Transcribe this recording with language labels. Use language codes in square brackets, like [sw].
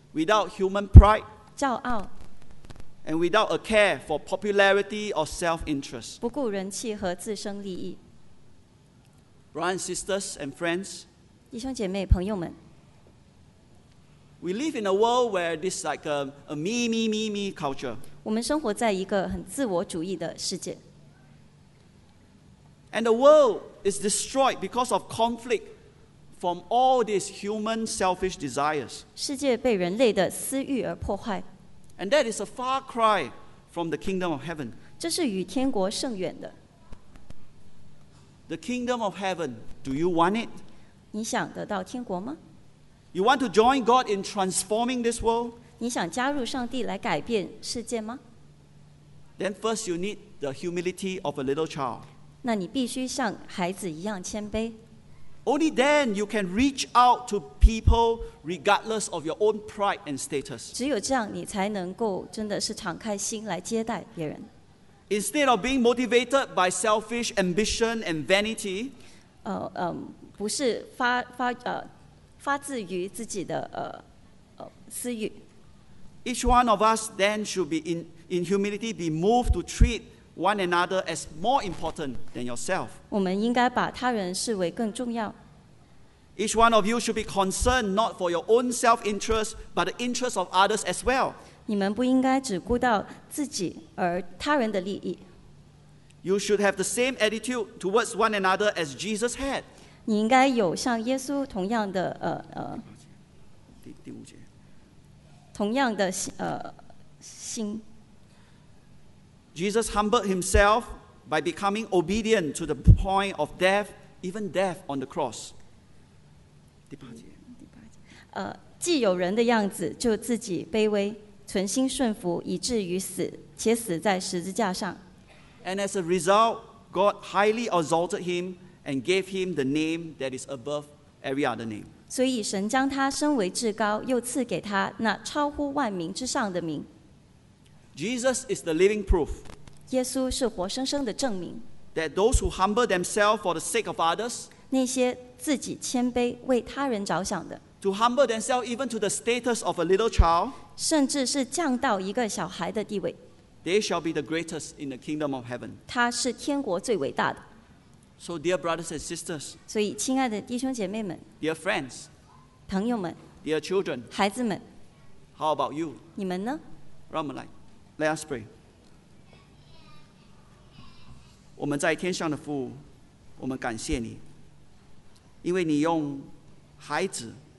[en] Without human pride, [zh] 骄傲 [en] and without a care for popularity or self-interest, [zh] 不顾人气和自身利益。 [en] Brothers and sisters and friends, [zh] 弟兄姐妹朋友们， [en] we live in a world where this is like a me culture. [zh] 我们生活在一个很自我主义的世界。 [en] And the world is destroyed because of conflict. From all these human selfish desires. [zh] 世界被人类的私欲而破坏。 [en] And that is a far cry from the kingdom of heaven. [zh] 这是与天国甚远的。 [en] The kingdom of heaven, do you want it? [zh] 你想得到天国吗？ [en] You want to join God in transforming this world? [zh] 你想加入上帝来改变世界吗？ [en] Then first you need the humility of a little child. [zh] 那你必须像孩子一样谦卑。 [en] Only then you can reach out to people regardless of your own pride and status. [zh] 只有这样，你才能够真的是敞开心来接待别人。 [en] Instead of being motivated by selfish ambition and vanity, [zh] 不是发自于自己的私欲。 [en] Each one of us then should be in humility, be moved to treat. One another as more important than yourself. [zh] 我们应该把他人视为更重要。 [en] Each one of you should be concerned not for your own self-interest, but the interest of others as well. [zh] 你们不应该只顾到自己而他人的利益。 [en] You should have the same attitude towards one another as Jesus had. [zh] 你应该有像耶稣同样的心。 [en] Jesus humbled himself by becoming obedient to the point of death, even death on the cross. [zh] 第八节。既有人的样子，就自己卑微，存心顺服，以至于死，且死在十字架上。 [en] And as a result, God highly exalted him and gave him the name that is above every other name. [zh] 所以神将他升为至高，又赐给他那超乎万名之上的名。 [en] Jesus is the living proof. [zh] 耶稣是活生生的证明。 [en] That those who humble themselves for the sake of others. [zh] 那些自己谦卑为他人着想的。 [en] To humble themselves even to the status of a little child. [zh] 甚至是降到一个小孩的地位。 [en] They shall be the greatest in the kingdom of heaven. [zh] 他是天国最伟大的。 [en] So dear brothers and sisters. [zh] 所以亲爱的弟兄姐妹们。 [en] Dear friends. [zh] 朋友们。 [en] Dear children. [zh] 孩子们。 [en] How about you? [zh] 你们呢？让我们来。 [en] Let us pray. [zh] 我们在天上的父，我们感谢你，因为你用孩子